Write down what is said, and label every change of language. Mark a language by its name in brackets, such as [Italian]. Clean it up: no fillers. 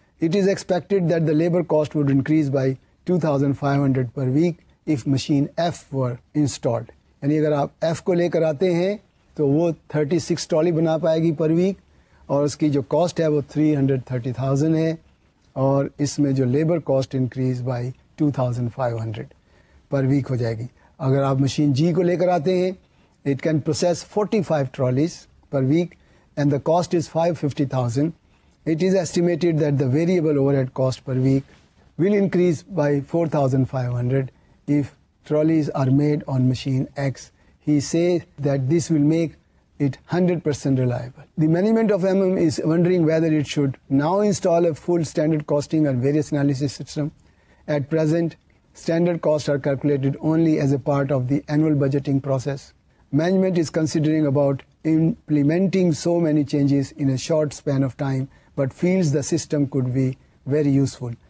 [English] It is expected that the labour cost would increase by 2,500 per week if machine F were installed. [Urdu] یعنی اگر آپ F کو لے کر آتے ہیں تو وہ 36 ٹرالی بنا پائے گی پر ویک, اور اس کی جو کاسٹ ہے وہ 330,000 ہے, اور اس میں جو labour cost increase by 2,500 per week ہو جائے گی. [English] اگر آپ مشین جی کو لے کر آتے ہیں, it can process 45 trolleys per week and the cost is 550,000. It is estimated that the variable over head cost per week will increase by 4,500 if trolleys are made on machine x. ہی سے that this will make it 100% reliable. The management of MM is wondering whether it should now install a full standard costing and various analysis system. At present, standard costs are calculated only as a part of the annual budgeting process. Management is considering about implementing so many changes in a short span of time, but feels the system could be very useful.